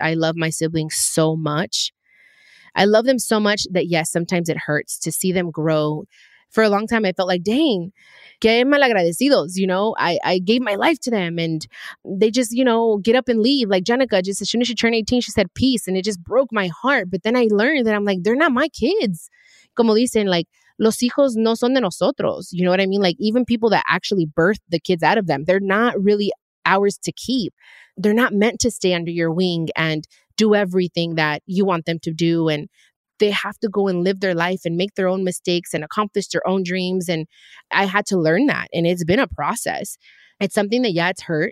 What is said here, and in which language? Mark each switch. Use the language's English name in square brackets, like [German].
[English] I love my siblings so much. I love them so much that, yes, sometimes it hurts to see them grow. For a long time, I felt like, dang, [Spanish] que malagradecidos, [English] you know? I gave my life to them and they just, you know, get up and leave. Like Jenica, just as soon as she turned 18, she said peace and it just broke my heart. But then I learned that I'm like, they're not my kids. [Spanish] Como dicen, like, los hijos no son de nosotros. [English] You know what I mean? Like even people that actually birthed the kids out of them, they're not really ours to keep. They're not meant to stay under your wing and do everything that you want them to do. And they have to go and live their life and make their own mistakes and accomplish their own dreams. And I had to learn that. And it's been a process. It's something that, yeah, it's hurt.